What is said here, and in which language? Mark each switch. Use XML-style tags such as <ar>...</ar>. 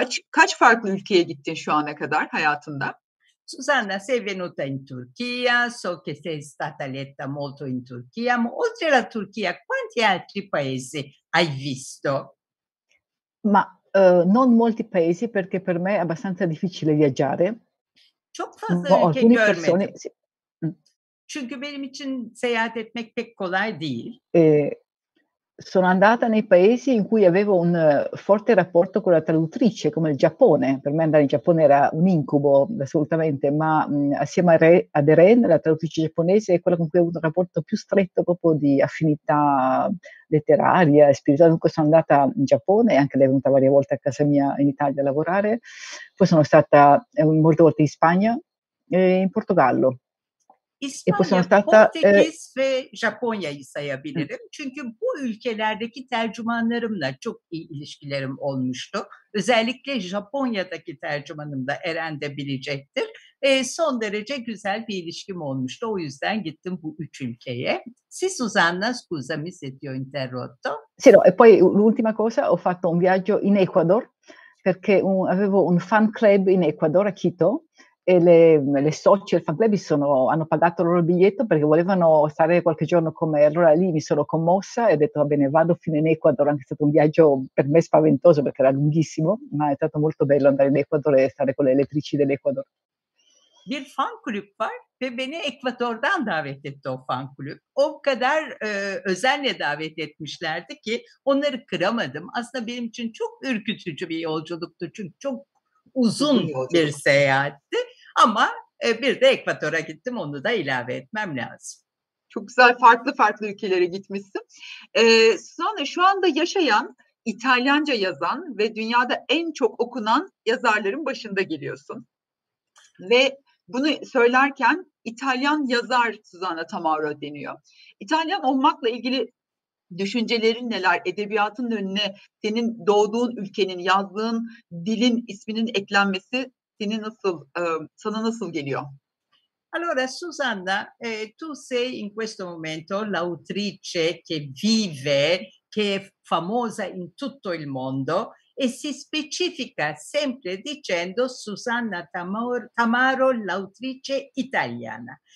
<tr>Kaç farklı ülkeye gittin şu ana kadar hayatında?</tr> <it>Susanna, sei venuta in Turchia, so che sei stata letta molto in Turchia, ma oltre la Turchia, quanti altri paesi hai visto? Ma non molti paesi, perché per me è abbastanza difficile viaggiare.</it> <tr>Çok fazla ülke görmedim.</tr> <it>Alcune persone, sì.</it> <tr>Çünkü benim için seyahat etmek pek kolay değil.</tr> <it>Sono andata nei paesi in cui avevo un forte rapporto con la traduttrice, come il Giappone. Per me andare in Giappone era un incubo, assolutamente, ma assieme ad Eren, la traduttrice giapponese, è quella con cui ho avuto un rapporto più stretto proprio di affinità letteraria e spirituale. Dunque sono andata in Giappone, anche lei è venuta varie volte a casa mia in Italia a lavorare. Poi sono stata molte volte in Spagna e in Portogallo.</it> <tr>İspanya, Portekiz ve Japonya'yı sayabilirim. Çünkü bu ülkelerdeki tercümanlarımla çok iyi ilişkilerim olmuştu. Özellikle Japonya'daki tercümanım da Eren de bilecektir. Son derece güzel bir ilişkim olmuştu. O yüzden gittim bu üç ülkeye.</tr> <it>Si, Susanna, scusami se ti ho interrotto. Sì, no, e poi l'ultima cosa, ho fatto un viaggio in Ecuador, perché avevo un fan club in Ecuador, a Quito. E le socie del fan club hanno pagato il loro biglietto perché volevano stare qualche giorno con me. Allora lì mi sono commossa e ho detto va bene, vado fino in Ecuador. Anche è stato un viaggio per me spaventoso perché era lunghissimo, ma è stato molto bello andare in Ecuador e stare con le elettrici dell'Ecuador.</it> <tr>Bir fan club var ve beni Ekvador'dan davet etti o fan club. O kadar özenle davet etmişlerdi ki onları kıramadım. Aslında benim için çok ürkütücü bir yolculuktu çünkü çok uzun bir seyahatti ama bir de Ekvador'a gittim, onu da ilave etmem lazım. Çok güzel, farklı ülkelere gitmişsin. Susanna, şu anda yaşayan, İtalyanca yazan ve dünyada en çok okunan yazarların başında geliyorsun. Ve bunu söylerken İtalyan yazar Susanna Tamaro deniyor. İtalyan olmakla ilgili düşüncelerin neler? Edebiyatın önüne senin doğduğun ülkenin, yazdığın dilin isminin eklenmesi sana nasıl geliyor?</tr> <it>Allora, Susanna, tu sei in questo momento l'autrice che vive, che è famosa in tutto il mondo e si specifica sempre dicendo Susanna Tamaro, l'autrice italiana.</it>